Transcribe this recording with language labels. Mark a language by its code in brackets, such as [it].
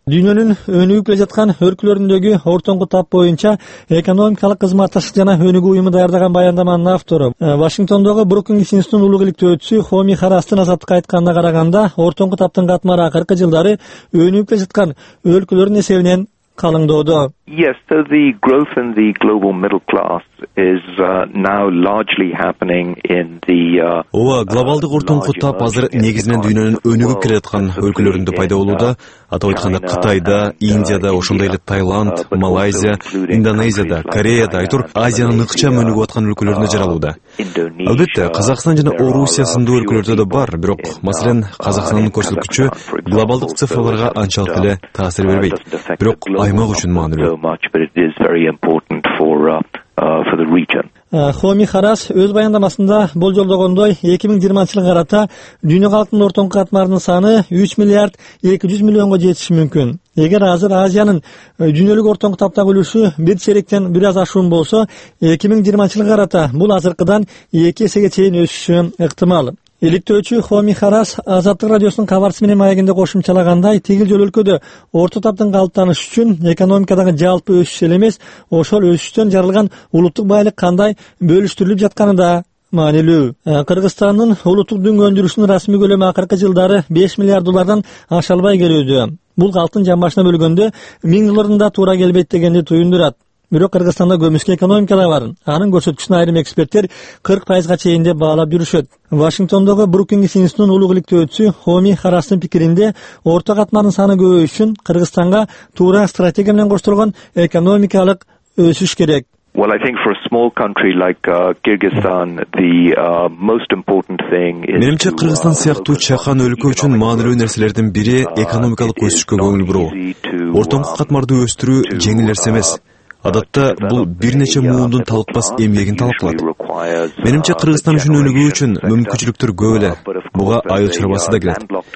[ky] Дүйнөнүн өнүгүп келе жаткан өлкөлөрүндөгү ортоңку тап боюнча экономикалык кызматташтык жана өнүгүү уюму даярдаган баяндаманын автору Вашингтондогу Брукингс институтунун улуу иликтөөчүсү Хоми Харастын азаттыкка айтканына караганда, ортоңку таптын катмары акыркы жылдары өнүгүп келе жаткан өлкөлөрдүн эсебинен калыңдоодо. [en] Yes, so the growth in the global middle class is now largely happening in the [ky] Ооба, глобалдык ортоңку тап азыр негизинен дүйнөнүн өнүгүп келе жаткан өлкөлөрүндө пайда болууда. Атап айтканда Кытайда, Индияда, ошондой эле Тайланд, Малайзия, Индонезияда, Кореяда, айтор Азиянын ыкчам өнүгүп аткан өлкөлөрүндө жаралууда. Албетте, Казакстан жана Орусия сындуу өлкөлөрдө да бар, бирок маселен Казакстандын көрсөткүчү глобалдык цифрларга анчалык эле таасир бербейт. Бирок аймак үчүн маанилүү. [en] So much, but it is very important for the region. [ky] Хоми Харас өз баяндамасында болжолдогондой 2020 жылга карата дүйнө калктын ортоңку катмарынын саны 3 миллиард 200 миллионго жетиши мүмкүн. Эгер азыр Азиянын дүйнөлүк ортоңку таптагы үлүшү 1/3 бир аз ашуун болсо, 2020 жылга карата бул азыркыдан 2 эсеге чейин өсүшү ыктымал. Иликтөөчү Хоми Харас Азаттык радиосунун кабарчысы менен маегинде кошумчалагандай, тигил жол өлкөдө орто таптын калыптанышы үчүн экономикадагы жалпы өсүш эле эмес, ошол өсүштөн жаралган улуттук байлык кандай бөлүштүрүлүп жатканы да маанилүү. Кыргызстандын улуттук дүң өндүрүшүнүн расмий көлөмү акыркы жылдары 5 миллиард доллардан аша албай келүүдө. Бул калктын жан башына бөлгөндө 1000 долларына туура келбейт дегенди туюндурат. Бирок Кыргызстанда көмүскө экономика да бар. Анын көрсөткүчүн айрым эксперттер 40%га чейин деп баалап жүрүшөт. Вашингтондогу Брукингс институтунун улуу иликтөөчүсү Хоми Харастын пикиринде, орто катмарынын саны көбөйүш үчүн Кыргызстанга туура стратегия менен коштолгон экономикалык өсүш керек. [en] Well, I think for a small country like Kyrgyzstan, the most important thing is [ky] Менимче Кыргызстан сыяктуу чакан өлкө үчүн маанилүү нерселердин бири экономикалык өсүшкө көңүл буруу. Ортоңку катмарды өстүрүү жеңил нерсе эмес. Адатта бул бир нече муундун талыкпас эмгегин талап кылат. Менимче Кыргызстан үчүн өнүгүү үчүн мүмкүнчүлүктөр көп эле. Буга айыл чарбасы да келет.